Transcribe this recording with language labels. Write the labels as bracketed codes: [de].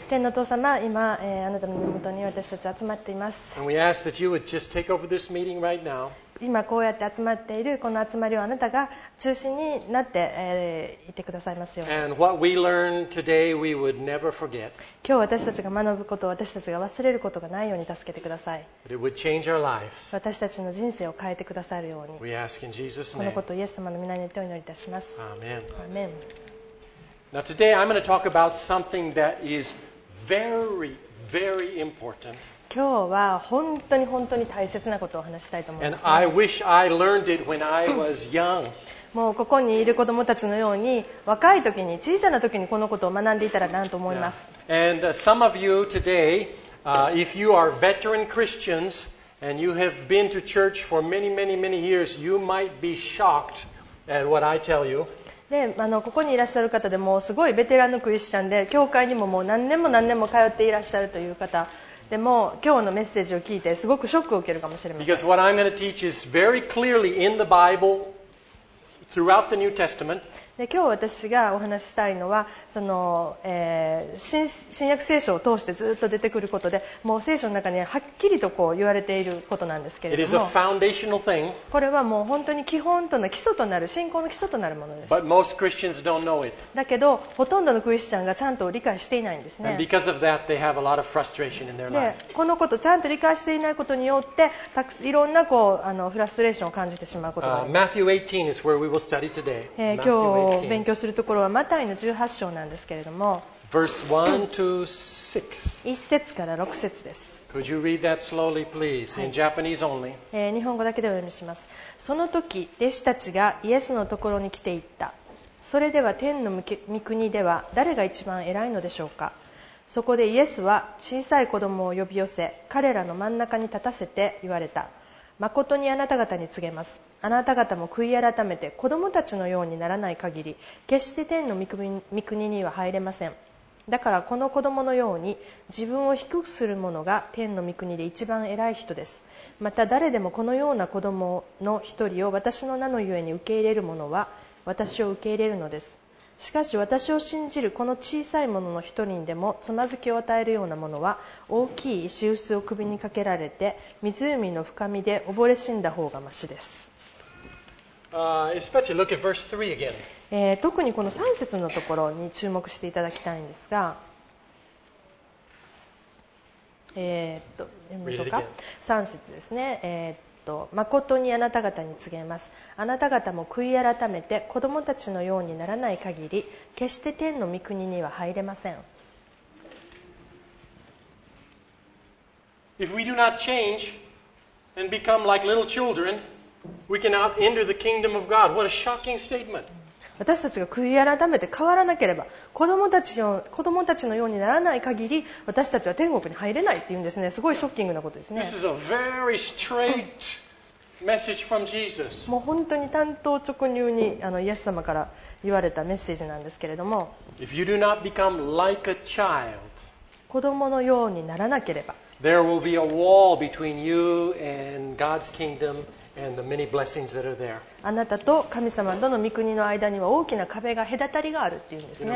[ja] 天の父様、今、あなたの御名に私たち集まっています。 [en] And we ask that you would just take over this meeting right now. [ja] 今こうやって集まっているこの集まりをあなたが中心になって、いてくださいますように。 [en] And what we learn today, we would never forget. [ja] 今日私たちが学ぶことを私たちが忘れることがないように助けてください。 [en] But it would change our lives. [ja] 私たちの人生を変えてくださるように。 [en] We ask in Jesus' name. [ja] このことをイエス様の御名によってお祈りいたします。 [en] Amen. Amen. Now today I'm going to talk about something that is very, very important. [ja] 今日は本当に本当に大切なことを話したいと思います、ね。 [en] And I wish I learned it when I was young. [ja] もうここにいる子どもたちのように若い時に小さな時にこのことを学んでいたらなと思います。 [en] Yeah. And some of you today, if you are veteran Christians and you have been to church for many, many, many years, you might be shocked at what I tell you. [ja] でここにいらっしゃる方でもすごいベテランのクリスチャンで教会にももう何年も何年も通っていらっしゃるという方でも今日のメッセージを聞いてすごくショックを受けるかもしれません。 [en] Because what I'm going to teach is very clearly in the Bible throughout the New Testament. [ja] で今日私がお話したいのはその、新約聖書を通してずっと出てくることでもう聖書の中にはっきりとこう言われていることなんですけれども [en] It is a foundational thing. [ja] これはもう本当に基本との基礎となる信仰の基礎となるものです [en] But most Christians don't know it. [ja] だけどほとんどのクリスチャンがちゃんと理解していないんですね [en] And because of that, they have a lot of frustration in their life. [ja] でこのことちゃんと理解していないことによってたくいろんなこうフラストレーションを感じてしまうことがあります [en] Matthew 18 is where we will study today. [ja] 今日勉強するところはマタイの18章なんですけれども [en] Verse 1 to 6 [ja] 1節から6節です Could you read that slowly, please, in Japanese only? 日本語だけでお読みしますその時弟子たちがイエスのところに来ていったそれでは天の御国では誰が一番偉いのでしょうかそこでイエスは小さい子供を呼び寄せ彼らの真ん中に立たせて言われた誠にあなた方に告げますあなた方も悔い改めて子供たちのようにならない限り決して天の御国には入れませんだからこの子供のように自分を低くする者が天の御国で一番偉い人ですまた誰でもこのような子供の一人を私の名のゆえに受け入れる者は私を受け入れるのですしかし私を信じるこの小さい者の一人にでもつまずきを与えるような者は大きい石臼を首にかけられて湖の深みで溺れ死んだ方がましです [en] especially look at verse 3 again. [ja] 特にこの3節のところに注目していただきたいんですが、読みましょうか。 3節ですね。誠にあなた方に告げます。あなた方も悔い改めて子供たちのようにならない限り、決して天の御国には入れません。 [en] If we do not change and become like little children,We cannot enter the kingdom of God. What a shocking statement. [ja] 私たちが悔い改めて変わらなければ子供たちのようにならない限り私たちは天国に入れないっていうんですねすごいショッキングなことですね [en] This is a very straight message from Jesus. [ja] もう本当に単刀直入にイエス様から言われたメッセージなんですけれども [en] If you do not become like a child, [ja] 子供のようにならなければ [en] There will be a wall between you and God's kingdomAnd the many blessings that are there. [ja] あなたと神様との御国の間には大きな壁が隔たりがあるっていうんですね。